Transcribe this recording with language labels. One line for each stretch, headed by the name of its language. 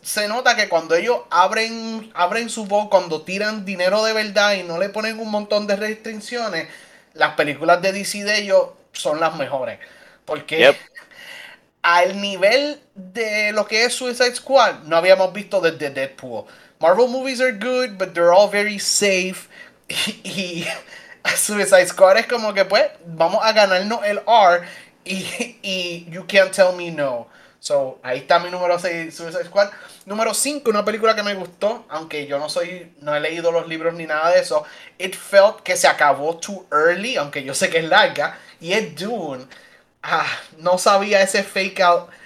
Spanish: Se nota que cuando ellos abren su voz, cuando tiran dinero de verdad y no le ponen un montón de restricciones, las películas de DC de ellos son las mejores. Porque... Yep. Al nivel de lo que es Suicide Squad, no habíamos visto desde Deadpool.
English: Marvel movies are good, but they're all very safe.
Spanish: Y Suicide Squad es como que, pues, vamos a ganarnos el R. Y
English: you can't tell me no.
Spanish: So, ahí está mi número 6, Suicide Squad. Número 5, una película que me gustó, aunque yo no he leído los libros ni nada de eso.
English: It felt
Spanish: que se acabó
English: too early,
Spanish: aunque yo sé que es larga. Y es Dune. Ah, no sabía ese fake out